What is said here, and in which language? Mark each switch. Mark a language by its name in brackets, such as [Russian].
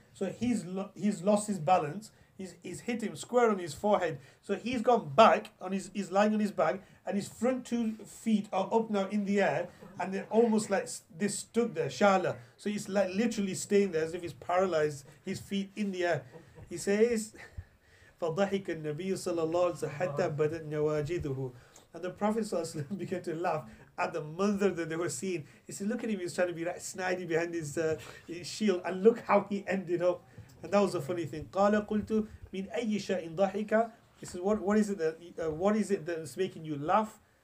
[English] So he's lost his balance. He's hit him square on his forehead. So he's gone back, he's lying on his back, and his front 2 feet are up now in the air, and they're almost like they stood there, shala. So he's like literally staying there as if he's paralyzed, his feet in the air. He says, [Arabic] فَضَحِكَ النَّبِيُّ صَلَى اللَّهُ عَلَيْهِ وَسَلَّمَ حَتَّى بَدَتْ نَوَاجِدُهُ. [English] And the Prophet ﷺ began to laugh at the manzar that they were seeing. He said, look at him, he's trying to be right snidey behind his shield, and look how he ended up. And that was a funny thing. [Arabic] قَالَ قُلْتُ مِنْ أَيِّ شَاءٍ ضَحِكَ. [English] He says, what is it that's making you laugh?